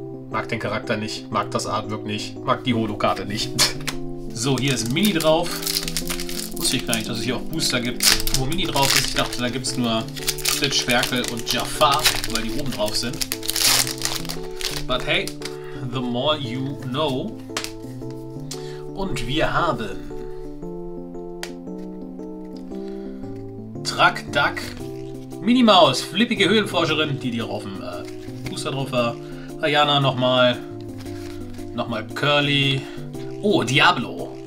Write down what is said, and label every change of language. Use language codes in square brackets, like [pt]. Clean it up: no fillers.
[de] Mag den Charakter nicht. Mag das Artwork nicht. Mag die Holo-Karte nicht. So, hier ist Mini drauf. Wusste ich gar nicht, dass es hier auch Booster gibt, wo Mini drauf ist. Ich dachte, da gibt es nur Stitch, Schwerkel und Jafar, weil die oben drauf sind. [en] But hey, the more you know. [de] Und wir haben Truck Duck, Minnie Maus, flippige Höhlenforscherin, die auf dem Booster drauf war. Ayana nochmal. Nochmal Curly. Oh, Diablo.